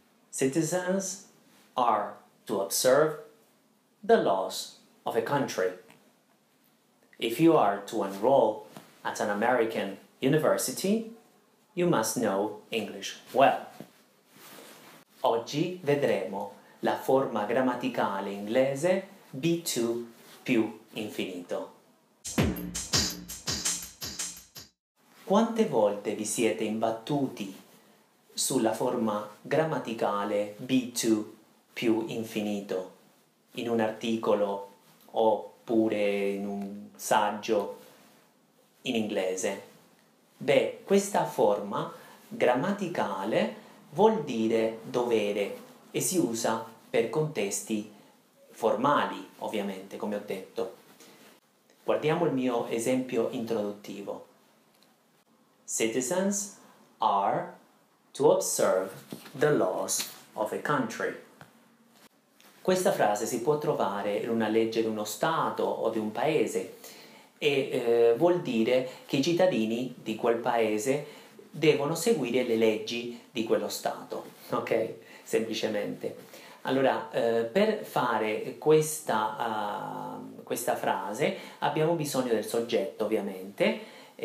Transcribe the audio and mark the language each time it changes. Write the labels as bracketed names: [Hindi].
[English] Citizens are to observe the laws of a country. If you are to enroll at an American university, you must know English well. [Italian] Oggi vedremo la forma grammaticale inglese B2 più infinito. Quante volte vi siete imbattuti sulla forma grammaticale B2 più infinito in un articolo oppure in un saggio in inglese? Beh, questa forma grammaticale vuol dire dovere e si usa per contesti formali, ovviamente, come ho detto. Guardiamo il mio esempio introduttivo. [English] Citizens are to observe the laws of a country. [Italian] Questa frase si può trovare in una legge di uno Stato o di un paese e vuol dire che i cittadini di quel paese devono seguire le leggi di quello Stato, ok? Semplicemente. Allora, per fare questa frase abbiamo bisogno del soggetto, ovviamente.